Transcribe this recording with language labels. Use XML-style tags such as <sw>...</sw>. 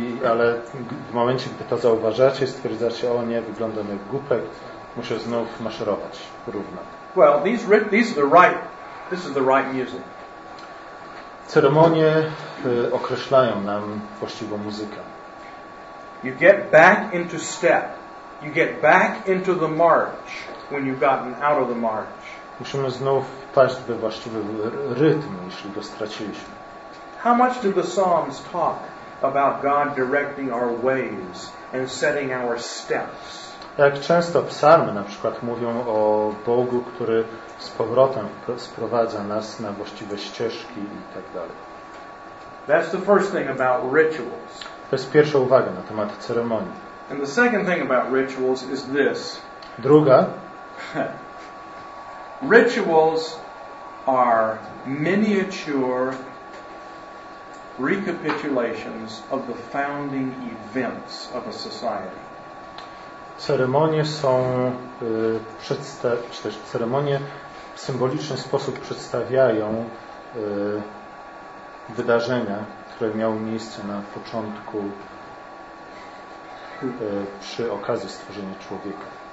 <pl>Ale w momencie, gdy to zauważacie, stwierdzacie, o nie, wyglądam jak głupek, muszę znów maszerować równo.</pl> <en>Well, this is the right music.</en> <pl>Ceremonie określają nam właściwą muzykę.</pl> <en>You get back into step. You get back into the march. When you've gotten out of the march.</en> <pl>Musimy znów wpaść we właściwy rytm, jeśli go straciliśmy.</pl> <en>How much do the Psalms talk about God directing our ways and setting our steps?</en> <pl>Jak często psalmy na przykład mówią o Bogu, który z powrotem sprowadza nas na właściwe ścieżki i tak dalej.</pl> <en>That's the first thing about rituals.</en> <pl>To jest pierwsza uwaga na temat ceremonii.</pl> <en>And the second thing about rituals is this.</en> <pl>Druga.</pl> <en>Rituals are miniature recapitulations of the founding events of a society.</en> <pl>Ceremonie są czy też ceremonie w symboliczny sposób przedstawiają wydarzenia, które miały miejsce na początku przy okazji stworzenia człowieka.</pl>